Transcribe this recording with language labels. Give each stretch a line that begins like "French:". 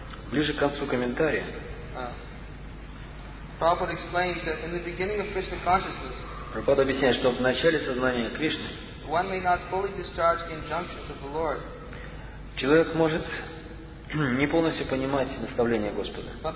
Russian: Ближе к концу комментария, Прабхупада объясняет, что в начале сознания Кришны
English: one may not fully discharge the injunctions of the Lord.
Russian: Человек может не полностью понимать наставления Господа.